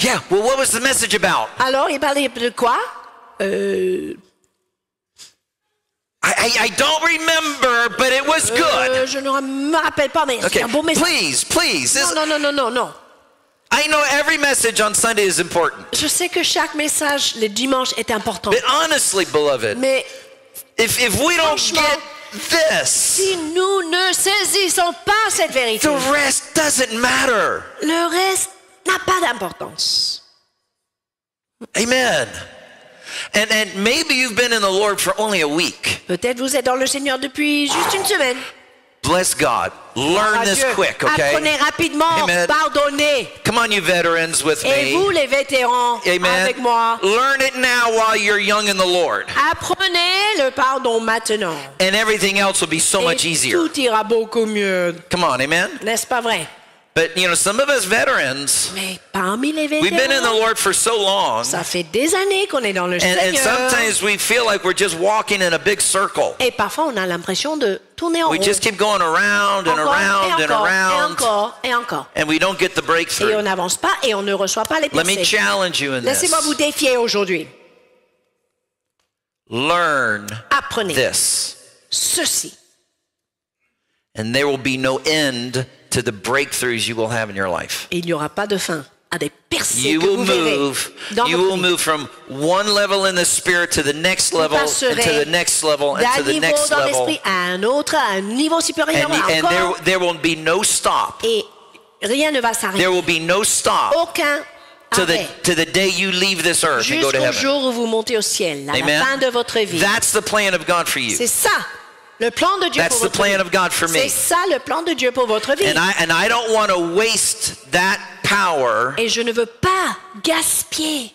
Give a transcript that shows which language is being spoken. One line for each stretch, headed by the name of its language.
English: Yeah. Well, what was the message about?
French: Alors, il parlait de quoi?
English: I don't remember, but it was good.
French: Je ne me rappelle pas, mais
English: okay.
French: C'est un bon message.
English: Please, please. No. I know every message on Sunday is important.
French: Je sais que chaque message le dimanche est important.
English: But honestly, beloved,
French: mais
English: if we don't get this,
French: si nous ne saisissons pas cette vérité,
English: the rest doesn't matter.
French: Le reste n'a pas d'importance.
English: Amen. And maybe you've been in the Lord for only a week.
French: Peut-être vous êtes dans le Seigneur depuis juste une semaine.
English: Bless God. Learn this quick, okay?
French: Apprenez rapidement, pardonnez.
English: Come on, you veterans with me.
French: Et vous les vétérans,
English: amen,
French: avec moi.
English: Learn it now while you're young in the Lord.
French: Apprenez le pardon maintenant.
English: And everything else will be so
French: et
English: much easier.
French: Tout ira beaucoup mieux.
English: Come on, amen.
French: N'est-ce pas vrai?
English: But you know, some of us veterans,
French: mais parmi les vétérans,
English: we've been in the Lord for so long.
French: Ça fait des années qu'on est dans le Seigneur.
English: And sometimes we feel like we're just walking in a big circle.
French: Et parfois on a l'impression de tourner en rond.
English: We just keep going around and around and around.
French: Encore et encore.
English: And we don't get the breakthrough.
French: Et on n'avance pas et on ne reçoit pas les percées.
English: Let me challenge you in this.
French: Laissez-moi vous défier aujourd'hui.
English: Learn.
French: Apprenez.
English: This.
French: Ceci.
English: And there will be no end to the breakthroughs you will have in your life.
French: Il n'y aura pas de fin à des percées
English: you will
French: que vous
English: move.
French: Verrez.
English: You will move from one level in the spirit to the next level, and to the next level, and to the next level.
French: À un autre, à un niveau supérieur.
English: And there will be no stop.
French: Et Rien ne va s'arrêter.
English: There will be no stop.
French: Aucun
English: To the day you leave this earth and go to heaven.
French: Jusqu'au jour où vous montez au ciel, à
English: Amen.
French: La fin de votre vie.
English: That's the plan of God for you.
French: C'est ça le plan de Dieu
English: That's
French: pour votre
English: plan
French: vie.
English: Of God for me.
French: C'est ça le plan de Dieu pour votre vie.
English: And I don't want to waste that power.
French: Et je ne veux pas gaspiller.